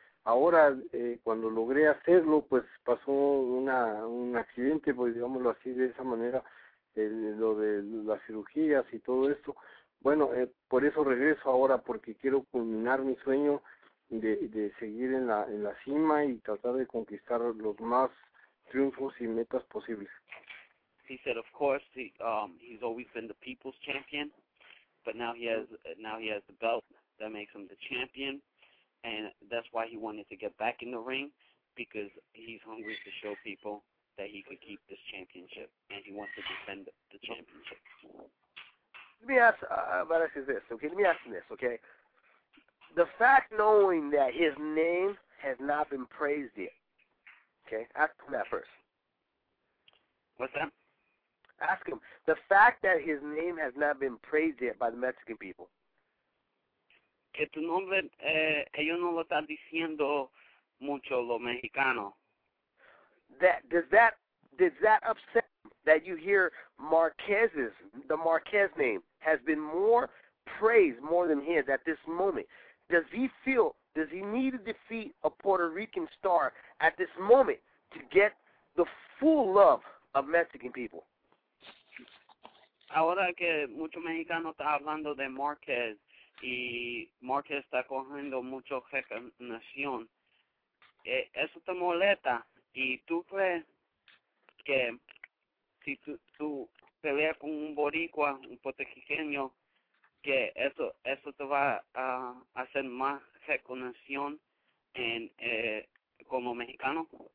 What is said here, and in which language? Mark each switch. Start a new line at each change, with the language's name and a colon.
Spanish: Ahora, cuando logré hacerlo, pues pasó un accidente, pues digámoslo así, de esa manera, lo de las cirugías y todo esto. Bueno, por eso regreso ahora, porque quiero culminar mi sueño de seguir en la cima y tratar de conquistar los más triunfos y metas posibles.
English: He said, of course, he's always been the people's champion, but now he has the belt that makes him the champion, and that's why he wanted to get back in the ring, because he's hungry to show people that he could keep this championship, and he wants to defend the championship. Let me ask you this, okay? The fact knowing that his name has not been praised yet, okay, ask him that first. What's that? Ask him. The fact that his name has not been praised yet by the Mexican people.
Spanish: Que tu nombre, ellos no lo están diciendo mucho lo mexicano.
English: Does that upset him that you hear the Marquez name has been more praised more than his at this moment? Does he need to defeat a Puerto Rican star at this moment to get the full love of Mexican people?
Spanish: Ahora que mucho mexicano está hablando de Marquez y Marquez está cogiendo mucho reconocimiento, eso te molesta y tú crees que si tú peleas con un boricua, un puertorriqueño, que eso te va a hacer más reconocimiento en como mexicano.